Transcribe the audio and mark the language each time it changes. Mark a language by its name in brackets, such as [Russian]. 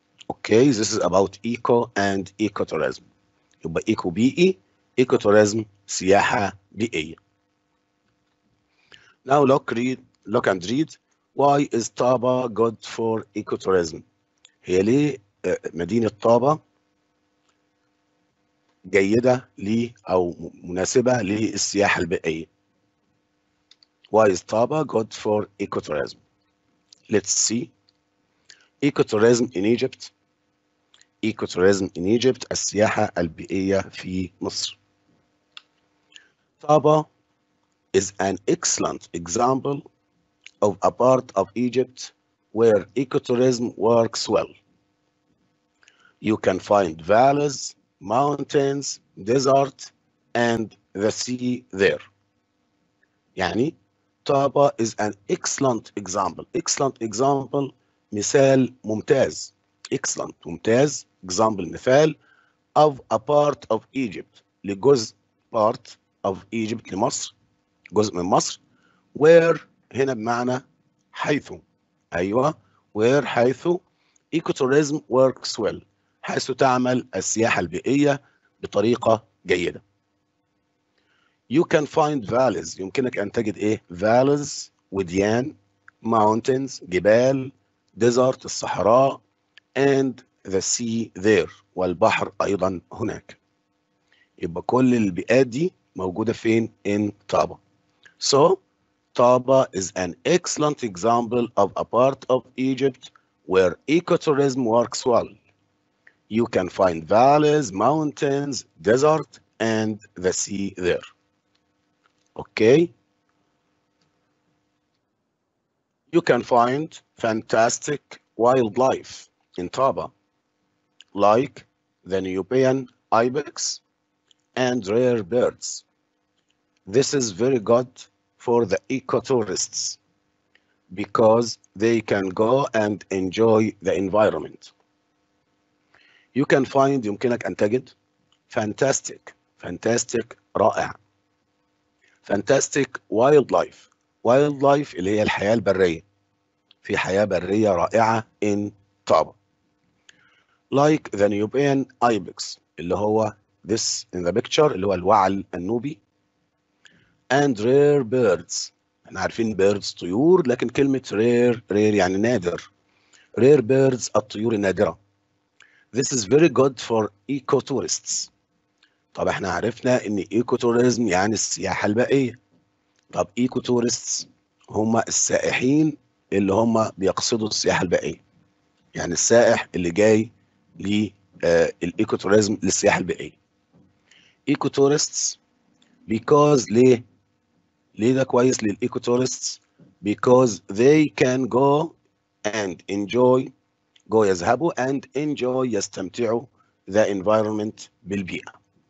[English] Okay, this is about eco and ecotourism. [Arabic] يبقى eco بيئي, ecotourism سياحة بيئية. [English] Now look and read. Why is Taba good for ecotourism? [Arabic] هي ليه مدينة طابة جيدة لي أو مناسبة للسياحة البيئية؟ [English] Why is Taba good for ecotourism? Let's see. Ecotourism in Egypt. Ecotourism in Egypt. [Arabic] السياحة البيئية في مصر. [English] Taba is an excellent example of a part of Egypt where ecotourism works well. You can find valleys, mountains, desert, and the sea there. يعني Taba is an excellent example. Excellent example, [Arabic] مثال ممتاز. [English] Excellent, ممتاز. Example, مثال. Of a part of Egypt. لجزء part of Egypt, لمصر. [Arabic] جزء من مصر. Where, هنا بمعنى حيث. [English] أيوة. Where, حيث. Ecotourism works well. [Arabic] حيث تعمل السياحة البيئية بطريقة جيدة. [English] You can find valleys. [Arabic] يمكنك أن تجد إيه؟ Valleys, وديان, mountains, جبال, desert, الصحراء, [English] and the sea there. [Arabic] والبحر أيضا هناك. يبقى كل البيئات دي موجودة فين؟ [English] In Taba. So, Taba is an excellent example of a part of Egypt where ecotourism works well. You can find valleys, mountains, desert, and the sea there. Okay. You can find fantastic wildlife in Taba, like the Nubian ibex and rare birds. This is very good for the ecotourists because they can go and enjoy the environment. You can find, [Arabic] يمكنك أن تجد, [English] fantastic, fantastic, رائع. Fantastic wildlife. [Arabic] Wildlife اللي هي الحياة البرية. في حياة برية رائعة [English] in Taba. Like the Nubian ibex, اللي هو this in the picture, [Arabic] اللي هو الوعل النوبي. [English] And rare birds. [Arabic] احنا عارفين birds طيور, لكن كلمة rare, rare يعني نادر. [English] Rare birds, [Arabic] الطيور النادرة. [English] This is very good for ecotourists. [Arabic] طب احنا عرفنا ان ecotourism يعني السياحة البائية. طب ecotourists هم السائحين اللي هم بيقصدوا السياحة البائية. يعني السائح اللي جاي للecotourism للسياحة البائية. [English] Ecotourists because [Arabic] ليه؟ ليه ده كويس للecotourists؟ [English] Because they can go and enjoy go يذهبوا and enjoy يستمتعوا the environment بالبيئة.